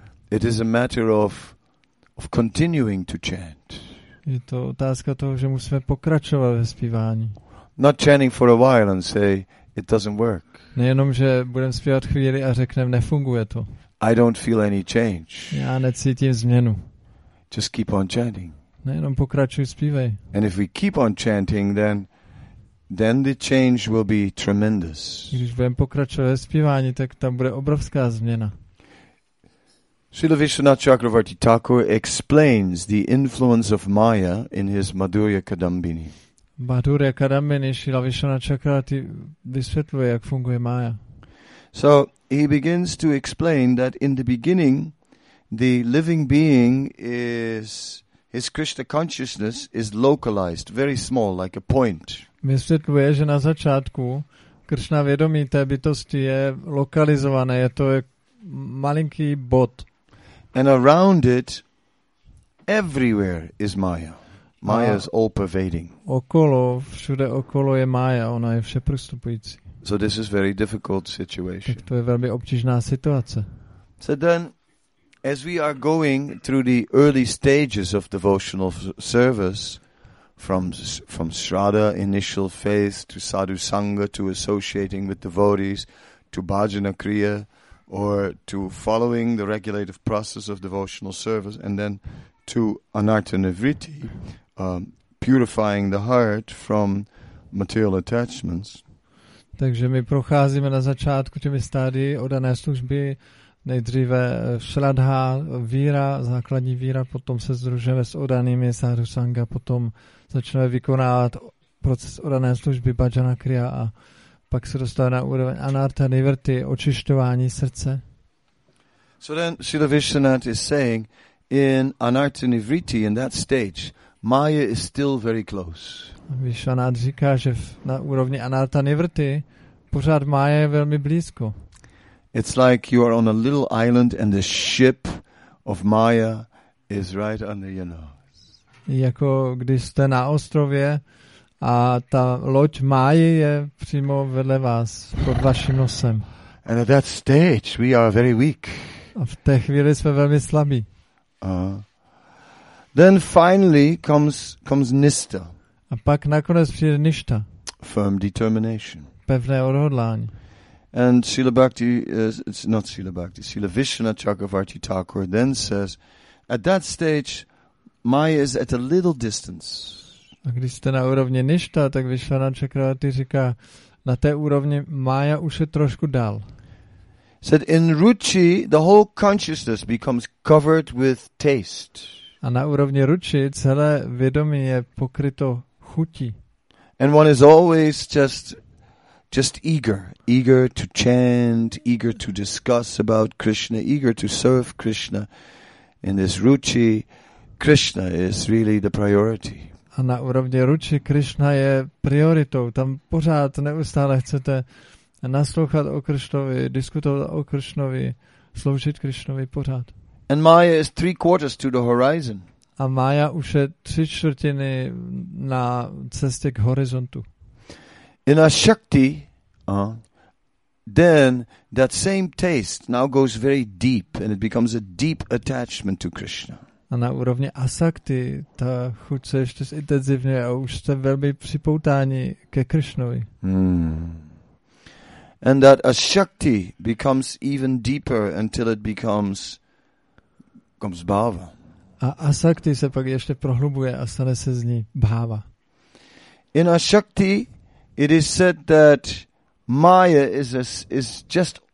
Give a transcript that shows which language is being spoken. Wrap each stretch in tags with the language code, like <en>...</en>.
<en>It is a matter of continuing to chant.</en> <cs>Je to otázka toho, že musíme pokračovat ve zpívání.</cs> <en>Not chanting for a while and say it doesn't work.</en> <cs>Nejenom, že budeme zpívat chvíli a řekneme, nefunguje to.</cs> <en>I don't feel any change.</en> <cs>Já necítím změnu.</cs> <en>Just keep on chanting.</en> <cs>Nejenom pokračuj, zpívej.</cs> <en>And if we keep on chanting, then the change will be tremendous.</en> <cs>Když budeme pokračovat zpívání, tak tam bude obrovská změna.</cs> <en>Srila Vishwanath Chakravarti Thakur explains the influence of Maya in his Madhurya Kadambini.</en> <cs>Madhurya Kadambini, Srila Vishwanath Chakravarti vysvětluje, jak funguje Maya.</cs> <en>So he begins to explain that in the beginning, the living being is his Krishna consciousness is localized, very small, like a point.</en> <cs>Vysvětluje, že na začátku Krishna vědomí té bytosti je lokalizované, je to malinký bod.</cs> <en>And around it, everywhere is Maya. Maya is all pervading.</en> <cs>Okolo, všude okolo je Maya, ona je všeprostupující.</cs> <en>So this is very difficult situation.</en> <cs>Tak to je velmi obtížná situace.</cs> <en>So then, as we are going through the early stages of devotional service, from Shraddha, initial faith, to Sadhu Sangha, to associating with devotees, to Bhajana Kriya, or to following the regulative process of devotional service, and then to anartha nivritti, purifying the heart from material attachments.</en> <cs>Takže my procházíme na začátku těmi stádii odané služby, nejdříve šradha, víra, základní víra, potom se združujeme s odanými sadhu sangha, potom začneme vykonávat proces odané služby bhajana kriya a pak se dostává na úroveň anartha nivrti, očišťování srdce.</cs> <en>So then Srila Vishwanath is saying in anartha nivrti, in that stage, Maya is still very close.</en> <cs>Vishwanath říká, že na úrovni anartha nivrti pořád Maya je velmi blízko.</cs> <en>It's like you are on a little island and the ship of Maya is right under your nose.</en> <cs>Jako když jste na ostrově a ta loď Máji je přímo vedle vás, pod vaším nosem.</cs> <en>And at that stage we are very weak.</en> <cs>A v té chvíli jsme velmi slabí.</cs> <en>Then finally comes nista.</en> <cs>A pak nakonec přijde nista.</cs> <en>Firm determination.</en> <cs>Pevné odhodlání.</cs> <en>And Srila Bhakti, it's not Srila Bhakti, Srila Vishwanath Chakravarti Thakur then says, at that stage Maya is at a little distance.</en> <cs>A když jste na úrovni nishta, tak Vishwanath Chakravarti říká, na té úrovni Maya už je trošku dál.</cs> <en>Said in ruchi, the whole consciousness becomes covered with taste.</en> <cs>A na úrovni ruchi celé vědomí je pokryto chutí.</cs> <en>And one is always just eager to chant, eager to discuss about Krishna, eager to serve Krishna. In this ruchi, Krishna is really the priority.</en> <cs>A na úrovni ruchi Krishna je prioritou. Tam pořád neustále chcete naslouchat o Krishnovi, diskutovat o Krishnovi, sloužit Krishnovi pořád.</cs> <en>And Maya is three quarters to the horizon.</en> <cs>A Maya už je tři čtvrtiny na cestě k horizontu.</cs> <en>In Ashakti, then that same taste now goes very deep and it becomes a deep attachment to Krishna.</en> <cs>A na úrovni Asakti ta chuť se ještě zintenzivňuje a už jste velmi připoutáni ke Krishnovi.</cs> <en>And that Ashakti becomes even deeper until it becomes bhava.</en> <cs>A Asakti se pak ještě prohlubuje a stane se z ní bhava.</cs> <en>In Ashakti, it is said that Maya is just</en>